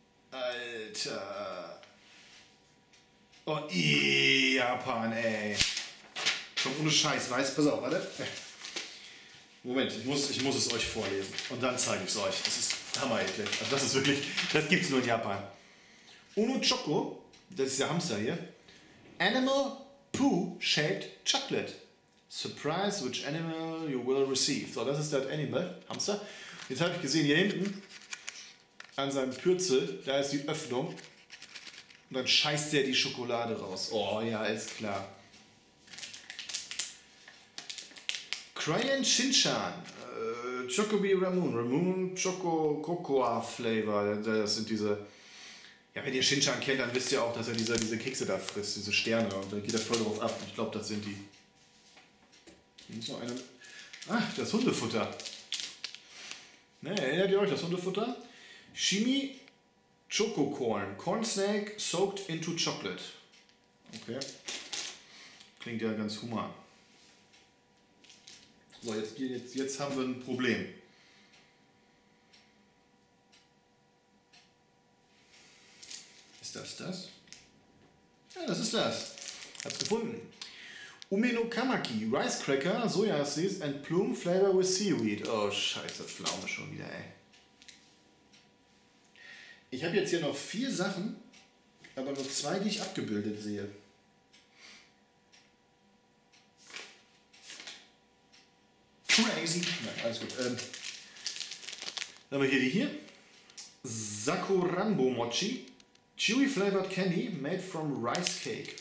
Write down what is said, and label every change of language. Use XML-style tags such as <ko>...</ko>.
<de>Alter. Oh, Japan, ey. Komm, ohne Scheiß, weiß. Pass auf, warte. Moment, ich muss es euch vorlesen. Und dann zeige ich es euch. Das ist Hammer, ey. Also das ist wirklich, das gibt's nur in Japan. Uno Choco, das ist der Hamster hier.</de> <en>Animal Poo Shaped Chocolate. Surprise, which animal you will receive.</en> <de>So, das ist das Animal, Hamster. Jetzt habe ich gesehen, hier hinten, an seinem Pürzel, da ist die Öffnung. Und dann scheißt der die Schokolade raus. Oh ja, ist klar. Crayon Shinchan. Chocobee Ramun. Ramun Choco Cocoa Flavor. Das sind diese. Ja, wenn ihr Shinchan kennt, dann wisst ihr auch, dass er diese Kekse da frisst, diese Sterne. Und dann geht er voll drauf ab. Ich glaube, das sind die. Hier ist noch eine. Ah, das Hundefutter. Ne, erinnert ihr euch das Hundefutter? Chimie.</de> <en>Choco Corn, Corn Snack soaked into chocolate.</en> <de>Okay. Klingt ja ganz human. So, jetzt haben wir ein Problem. Ist das das? Ja, das ist das. Hab's gefunden.</de> <en>Ume no Kamaki, Rice Cracker, Soya Seeds and Plum Flavor with Seaweed.</en> <de>Oh, scheiße, Pflaume schon wieder, ey. Ich habe jetzt hier noch 4 Sachen, aber nur 2, die ich abgebildet sehe. Crazy. Nein, alles gut. Dann haben wir hier die hier. Sakurambo Mochi.</de> <en>Chewy Flavored Candy made from Rice Cake.</en>